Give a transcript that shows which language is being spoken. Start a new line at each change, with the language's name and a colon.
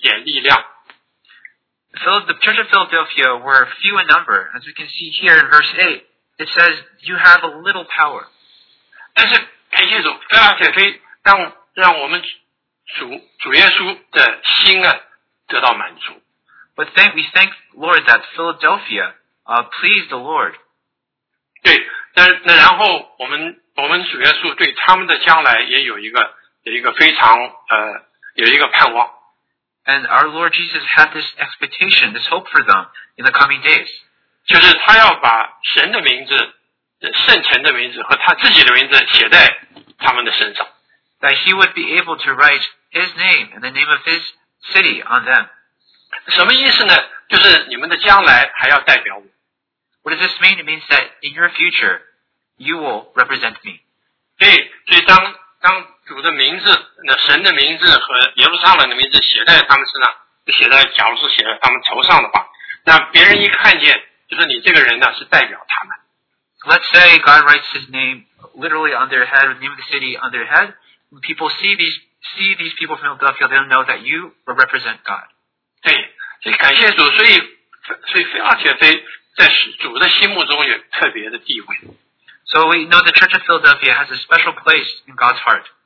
Chinese: 所以你可以看见这菲拉铁菲教会，他们人数很少，人数不多的，因为菲拉铁菲教会，第八节说了，对不起，我看哈，第八节说是你们略有一点力量。So
English: the Church of Philadelphia were few in number, as we can see here in verse 8, it says you have a little power.
Chinese: 但是感谢主，菲拉铁菲让我们主耶稣的心啊得到满足。
English: But we thank Lord that Philadelphia pleased the Lord.
Chinese: 对，那然后我们主耶稣对他们的将来也有一个非常有一个盼望。
English: And our Lord Jesus had this expectation, this hope for them in the coming days.
Chinese: 就是他要把神的名字、圣城的名字和他自己的名字写在他们的身上。
English: That he would be able to write his name and the name of his city on them.
Chinese: 什么意思呢？就是你们的将来还要代表我。
English: What does this mean? It means that in your future, you will represent me.
Chinese: 对，所以当主的名字、那神的名字和耶路撒冷的名字写在他们身上，写在假如是写在他们头上的话，那别人一看见，就是你这个人呢是代表他们。
English: Let's say God writes his name literally on their head, the name of the city on their head. When people see these people from Philadelphia, they'll know that you will represent God.
Chinese: 对，所以感谢主，所以菲拉铁菲在主的心目中有特别的地位。
English: So we know the Church of Philadelphia has a special place in God's heart.